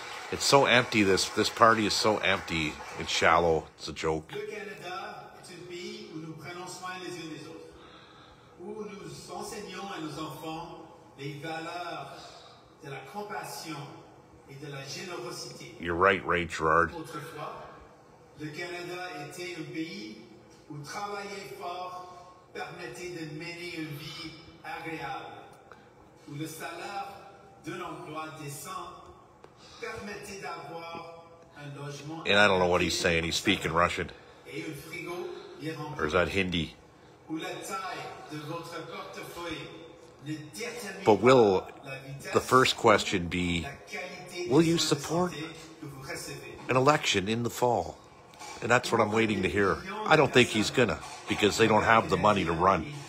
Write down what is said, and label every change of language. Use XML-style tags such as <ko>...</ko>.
<en>It's so empty, this party is so empty and shallow. It's a joke.</en> <fr>Le Canada est un pays où nous prenons soin les uns des autres. Où nous enseignons à nos enfants les valeurs de la compassion et de la générosité.</fr> <en>You're right, Ray Gerard.</en> <fr>Autrefois, le Canada était un pays où travailler fort permettait de mener une vie agréable, où le salaire d'un emploi décent permettait d'avoir un logement.</fr> <en>And I don't know what he's saying. He's speaking Russian.</en> <fr>Et un frigo bien rempli.</fr> <en>Or is that Hindi?</en> <fr>Où la taille de votre portefeuille ne détermine pas.</fr> <en>But will the first question be, will you support an election in the fall? And that's what I'm waiting to hear. I don't think he's gonna, because they don't have the money to run.</en>